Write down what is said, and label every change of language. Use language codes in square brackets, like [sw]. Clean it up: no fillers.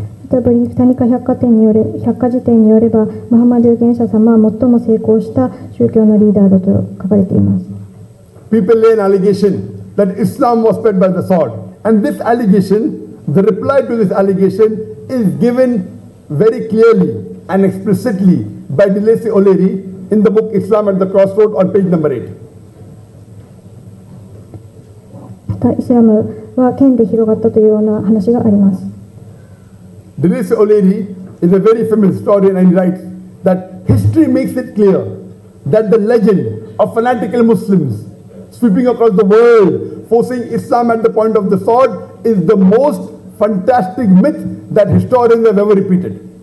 [ja] 百貨店によれば、ムハンマド預言者様は最も成功した宗教のリーダーだと書かれています。 [en] People lay an allegation that Islam was spread by the sword. And this allegation, the reply to this allegation is given very clearly and explicitly by Delacy O'Leary in the book Islam at the Crossroad on page number 8. [ja] イスラムは剣で広がったというような話があります。 [en] Delacy O'Leary is a very famous historian and writes that history makes it clear that the legend of fanatical Muslims sweeping across the world, forcing Islam at the point of the sword, is the most fantastic myth that historians have ever repeated.